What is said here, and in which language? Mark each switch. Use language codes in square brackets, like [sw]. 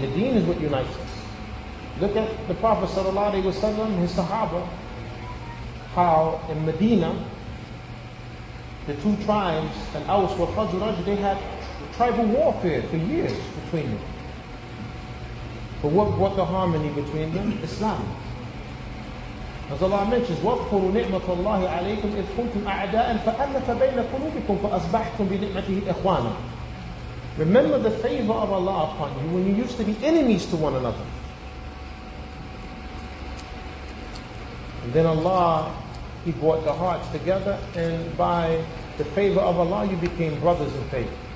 [en] The deen is what unites us. Look at the Prophet sallallahu alaihi wasallam, his Sahaba, how in Medina, the two tribes, and Aws and Khazraj, they had tribal warfare for years between them. But what brought the harmony between them? Islam. As Allah mentions, [ar] وَاذْكُرُوا نِعْمَةَ اللَّهِ عَلَيْكُمْ إِذْ كُنْتُمْ أَعْدَاءً فَأَلَّفَ بَيْنَ قُلُوبِكُمْ فَأَصْبَحْتُمْ بِنِعْمَتِهِ إِخْوَانًا. [en] Remember the favor of Allah upon you when you used to be enemies to one another. And then Allah, he brought the hearts together, and by the favor of Allah, you became brothers in faith.